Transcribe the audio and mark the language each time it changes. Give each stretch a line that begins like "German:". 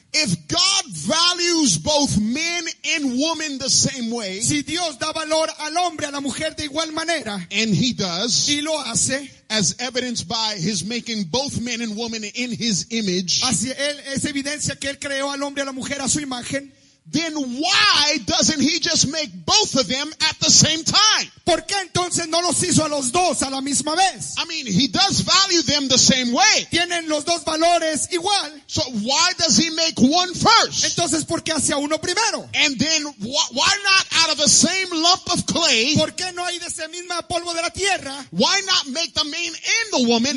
English: If God values both men and woman the same way,
Spanish: si Dios da valor al hombre a la mujer de igual manera,
English: and he does,
Spanish: y lo hace,
English: as evidenced by his making both men and woman in his image,
Spanish: así él, es evidencia que él creó al hombre y a la mujer a su imagen,
English: Then why doesn't he just make both of them at the same time?
Spanish: ¿Por qué entonces no los hizo a los dos a la misma vez?
English: I mean, he does value them the same way.
Spanish: Tienen los dos valores igual.
English: So why does he make one first?
Spanish: Entonces, ¿por qué hace a uno primero?
English: And then why not out of the same lump of clay?
Spanish: ¿Por qué no hay de ese mismo polvo de la tierra?
English: Why not make the man and the woman?